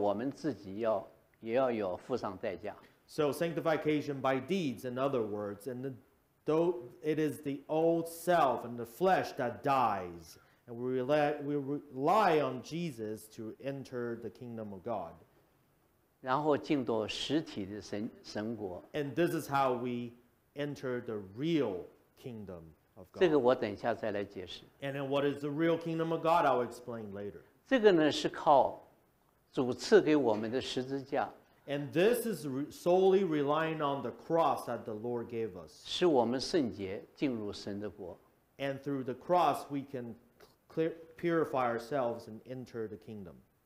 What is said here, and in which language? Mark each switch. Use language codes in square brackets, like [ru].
[zh] 这个时候呢，是我们死，是我们的老我死，但是我们要靠耶稣，也要我们自己要，也要有付上代价。 [en] So sanctification by deeds, in other words, and though it is the old self and the flesh that dies, and we rely on Jesus to enter the kingdom of God. [zh] 然后进到实体的神国。 [en] And this is how we enter the real kingdom of God. [zh] 这个我等一下再来解释。 [en] And then what is the real kingdom of God? I'll explain later. [zh] 这个呢是靠主赐给我们的十字架。 [en] And this is solely relying on the cross that the Lord gave us. [zh] 使我们圣洁进入神的国。 [en] And through the cross, we can purify ourselves and enter the kingdom.